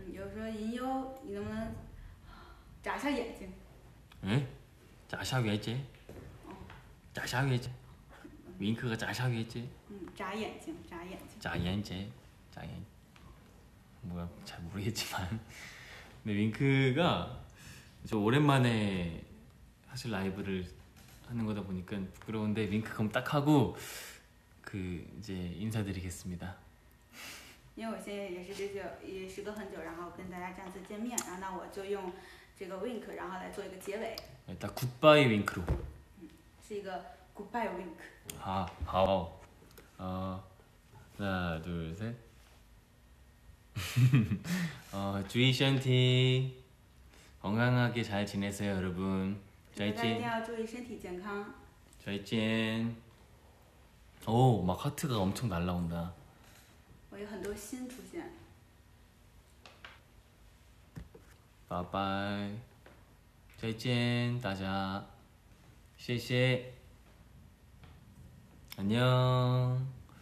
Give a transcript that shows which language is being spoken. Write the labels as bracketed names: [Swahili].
[Chinese] 有时候银优，你能不能眨下眼睛？哎，眨下眼睛？眨下眼睛？윙크가眨下眼睛？眨眼睛，眨眼睛。眨眼睛，眨眼。 [Korean] 뭐야잘모르겠지만근데윙크가저오랜만에 사실 라이브를 하는 거다 보니까 부끄러운데 윙크 그럼 딱 하고 그 이제 인사드리겠습니다. [Chinese] 因为我现在也是这就也时隔很久，然后跟大家这样子见面，然后那我就用这个 wink 然后来做一个结尾。 [Korean] 일단 goodbye wink 로 [Chinese] 是一个 goodbye wink。好，好，啊，那 [Korean] 둘셋，啊，주의션티，건강하게잘지내세요여러분。 [Chinese] 大家一定要注意身体健康。再见。 [Korean] 오막하트가엄청날라온다 [Chinese] 我有很多心出现拜拜再见大家谢谢 [Korean] 안녕